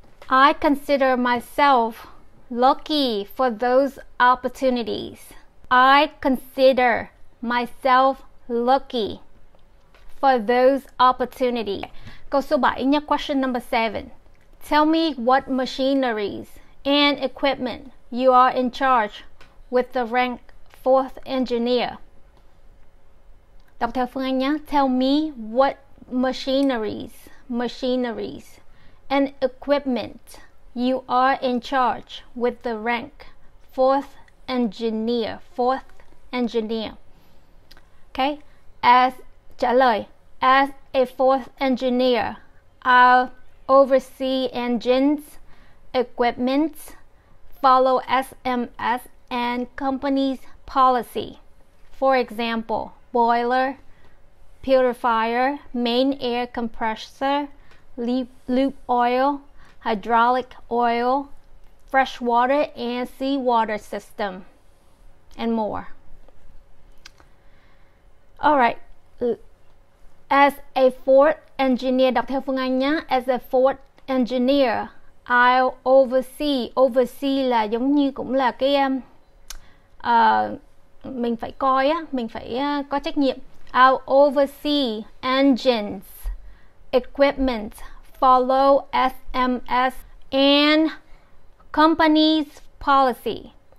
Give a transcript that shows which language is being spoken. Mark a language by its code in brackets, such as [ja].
[en] I consider myself lucky for those opportunities. I consider myself lucky for those opportunities. [vi] Câu số 7 nha, [en] question number 7. Tell me what machineries and equipment you are in charge with the rank 4th engineer. [vi] Đọc theo phương Anh nhé. [en] Tell me what machineries and equipment you are in charge with the rank 4th engineer. Okay, as, [vi] trả lời, [en] as a 4th engineer, I'll oversee engines, equipment, follow SMS and company's policy. For example, boiler, purifier, main air compressor, loop oil, hydraulic oil, fresh water and seawater system, and more. All right, As a Ford engineer, [vi] đọc theo Phương Anh nhé. [en] As a Ford engineer, I'll oversee. [vi] Oversee là giống như cũng là cái mình phải coi á, mình phải có trách nhiệm. [en] I'll oversee engines, equipment, follow SMS and company's policy.